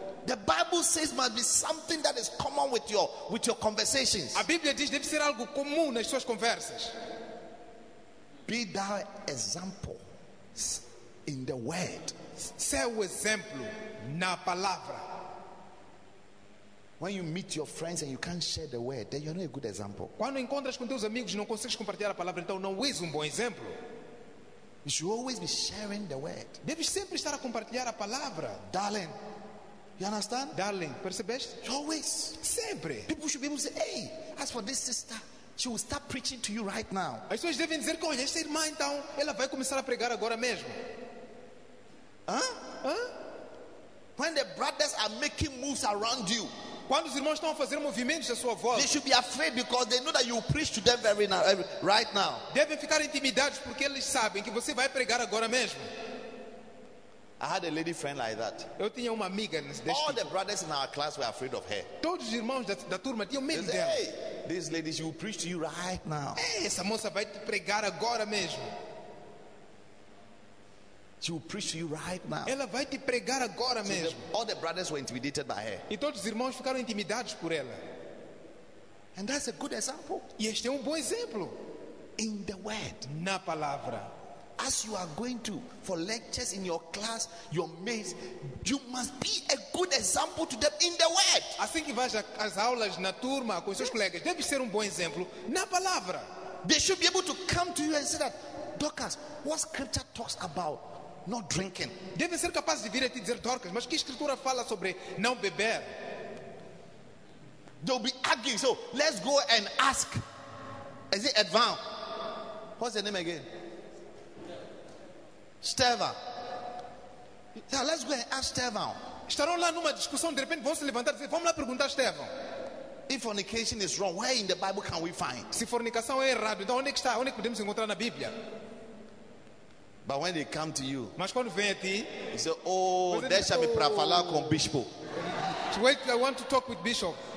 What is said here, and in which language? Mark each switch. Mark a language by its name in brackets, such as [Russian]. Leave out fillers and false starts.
[English] The Bible says must be something that is common with your conversations. [Portuguese] A Bíblia diz deve ser algo comum nas suas conversas. [English] Be that example in the word. [Portuguese] Seja exemplo na palavra. [English] When you meet your friends and you can't share the word, then you're not a good example. [Portuguese] Quando encontras com teus amigos e não consegues compartilhar a palavra, então não és bom exemplo. [English] You should always be sharing the word. [Portuguese] Deve sempre estar a compartilhar a palavra. [English] Darling, you understand? [Portuguese] Darling, percebeste? [English] Always. [Portuguese] Sempre. [English] People should be able to say, hey, as for this sister, she will start preaching to you right now. [Portuguese] As pessoas devem dizer que, olha, esta irmã, então, ela vai começar a pregar agora mesmo. [English] When the brothers are making moves around you, [Portuguese] quando os irmãos estão a fazer movimentos à sua volta, [English] they should be afraid because they know that you preach to them very now, right now. [Portuguese] Devem ficar intimidados porque eles sabem que você vai pregar agora mesmo. [English] I had a lady friend like that. [Portuguese] Eu tinha uma amiga nesse tipo. [English] All the brothers in our class were afraid of her. [Portuguese] Todos os irmãos da turma tinham medo dela. [English] Hey, this lady, she will preach to you right now. [Portuguese] Hey, essa moça vai te pregar agora mesmo. [English] She will preach to you right now. [Portuguese] Ela vai te pregar agora mesmo. [English] All the brothers were intimidated by her. [Portuguese] E todos os irmãos ficaram intimidados por ela. [English] And that's a good example. [Portuguese] E este é bom exemplo. [English] In the word. [Portuguese] Na palavra. [English] As you are going to for lectures in your class, your mates, you must be a good example to them in the word. [Portuguese] Assim que vais às aulas na turma com seus colegas, deve ser bom exemplo na palavra. [English] They should be able to come to you and say that, Dorcas, what scripture talks about not drinking? [Portuguese] Devem ser capazes de vir a te dizer, Dorcas, mas que escritura fala sobre não beber? [English] They'll be arguing. So let's go and ask. Is it Edvan? What's your name again? Estevão. Yeah, let's go and ask Estevão. [Portuguese] Estarão lá numa discussão, de repente vão se levantar e dizer, vamos lá perguntar a Estevão. [English] If fornication is wrong, where in the Bible can we find? [Portuguese] Se fornicação é errado, então onde está? Onde podemos encontrar na Bíblia? [English] But when they come to you, [Portuguese] mas quando vem a ti, [English] you say, oh, [Portuguese] deixa me para falar com o bispo. [English] Wait, I want to talk with bishop.